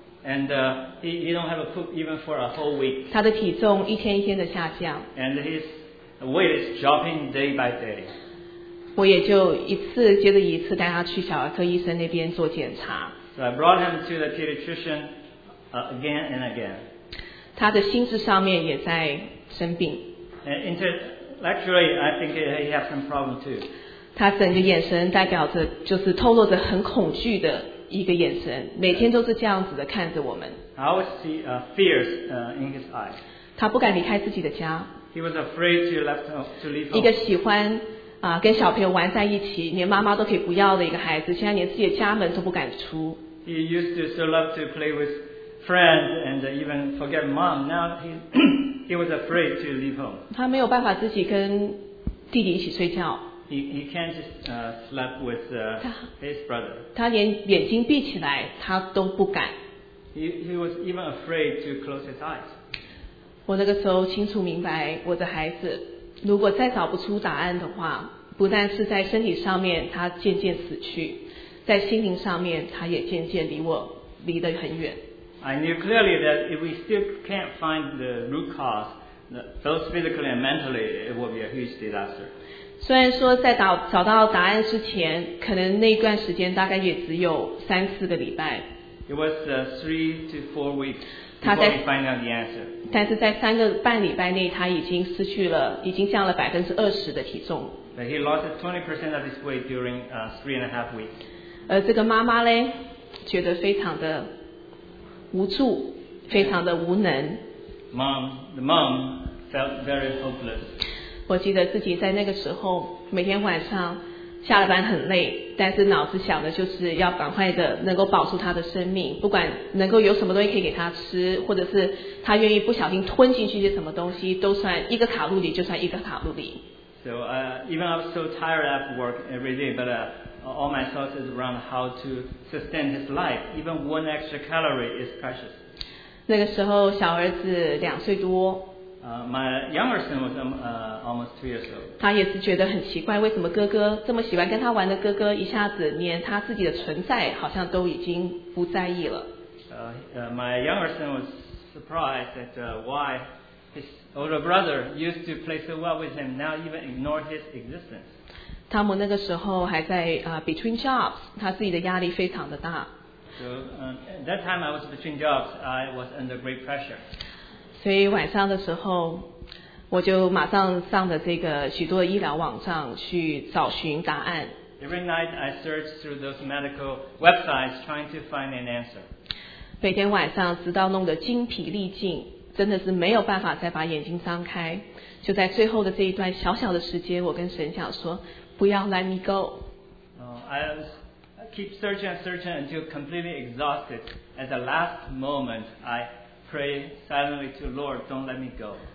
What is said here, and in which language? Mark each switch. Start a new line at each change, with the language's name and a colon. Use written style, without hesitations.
English: And he don't have a poop even for a whole week.
Chinese: 他的体重一天一天的下降。
English: And his weight is dropping day by day.
Chinese: 我也就一次接着一次带他去小儿科医生那边做检查。
English: So I brought him to the pediatrician again and again.
Chinese: 他的心智上面也在生病。
English: And intellectually, I think he has some problem too.
Chinese: 他整个眼神代表着，就是透露着很恐惧的一个眼神，每天都是这样子的看着我们。
English: I always see a fear in his eyes.
Chinese: 他不敢离开自己的家。
English: He was afraid to leave home.
Chinese: 一个喜欢跟小朋友玩在一起，连妈妈都可以不要的一个孩子，现在连自己的家门都不敢出。
English: He used to so love to play with friends and even forget mom. Now he was afraid to leave home.
Chinese: 他没有办法自己跟弟弟一起睡觉。
English: He can't just sleep with his brother.
Chinese: 他连眼睛闭起来他都不敢。
English: He was even afraid to close his eyes.
Chinese: 我那个时候清楚明白，我的孩子如果再找不出答案的话，不但是在身体上面他渐渐死去，在心灵上面他也渐渐离我离得很远。
English: I knew clearly that if we still can't find the root cause, both physically and mentally, it will be a huge disaster.
Chinese: 虽然说在找到答案之前，可能那段时间大概也只有三四个礼拜。
English: It was three to four weeks before we find out the answer.
Chinese: 但是在三个半礼拜内，他已经失去了，已经降了20%的体重。
English: But he lost 20% of his weight during three and a half weeks.
Chinese: 这个妈妈嘞，觉得非常的无助，非常的无能。
English: The mom felt very hopeless.
Chinese: 我记得自己在那个时候每天晚上下了班很累，但是脑子想的就是要赶快的能够保住他的生命，不管能够有什么东西可以给他吃，或者是他愿意不小心吞进去些什么东西，都算一个卡路里，就算一个卡路里。
English: So even I'm so tired after work every day, but all my thoughts is around how to sustain his life. Even one extra calorie is precious.
Chinese: 那个时候小儿子两岁多。
English: My younger son was almost 2 years old.
Chinese: 他也是觉得很奇怪，为什么哥哥这么喜欢跟他玩的哥哥，一下子连他自己的存在好像都已经不在意了。
English: My younger son was surprised at why his older brother used to play so well with him, now even ignored his existence.
Chinese: 汤姆那个时候还在
English: between jobs,
Chinese: 他自己的压力非常的大。
English: So at that time I was between jobs, I was under great pressure.
Chinese: 所以晚上的时候我就马上上了这个许多医疗网站去找寻答案。
English: Every night I searched through those medical websites trying to find an answer.
Chinese: 每天晚上直到弄得精疲力尽，真的是没有办法再把眼睛张开，就在最后的这一段小小的时间，我跟神想说不要
English: let me go. I keep searching and searching until completely exhausted. At the last moment I pray silently to Lord, don't let me go.